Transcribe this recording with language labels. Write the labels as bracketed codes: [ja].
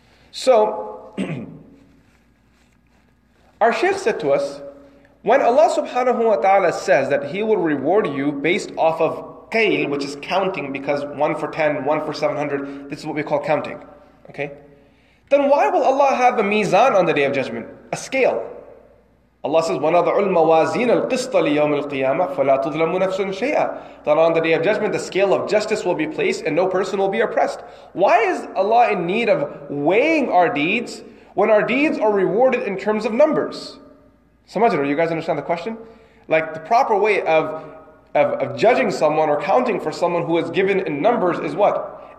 [en] So, our Shaykh said to us, When Allah subhanahu wa ta'ala says that He will reward you based off of qayl, which is counting, because 1 for 10, 1 for 700, this is what we call counting. Okay? Then why will Allah have a mizan on the Day of Judgment? A scale. Allah says, [ar] وَنَضْعُ الْمَوَازِينَ الْقِسْطَ لِيَوْمِ الْقِيَامَةِ فَلَا تُظْلَمُ نَفْسٌ شَيْئًا. [en] That on the Day of Judgment, the scale of justice will be placed and no person will be oppressed. Why is Allah in need of weighing our deeds when our deeds are rewarded in terms of numbers? Samajr, do you guys understand the question? Like, the proper way of judging someone or counting for someone who is given in numbers is what?